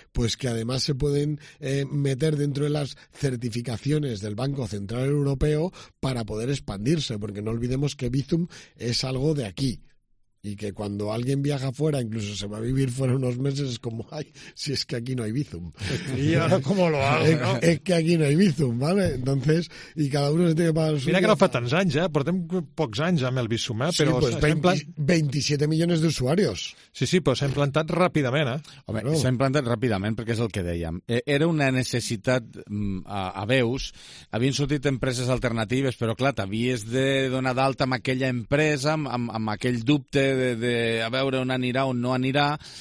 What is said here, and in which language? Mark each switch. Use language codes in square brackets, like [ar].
[es] Pues que además se pueden meter dentro de las certificaciones del Banco Central Europeo para poder expandirse, porque no olvidemos que Bizum es algo de aquí. y que cuando alguien viaja fuera, incluso se va a vivir fuera unos meses, es como, ay, si es que aquí no hay Bizum. ¿Y ahora cómo lo hago? Es que aquí no hay Bizum, ¿vale? Entonces, y cada uno se tiene que pagar su... [ca] Mira que no fa tants anys, ¿eh? Portem pocs anys amb el Bizum, ¿eh? [es] Pero sí, pues 27 millones de usuarios. Sí, sí, pues se ha [ca] implantat ràpidament, [es] ¿eh? [ca] Home, no. S'ha implantat ràpidament, perquè és el que dèiem. Era una necessitat a veus. Havien sortit empreses alternatives, però clar, t'havies de donar d'alta amb aquella empresa, amb aquell dubte de a veure on anirà o no anirà.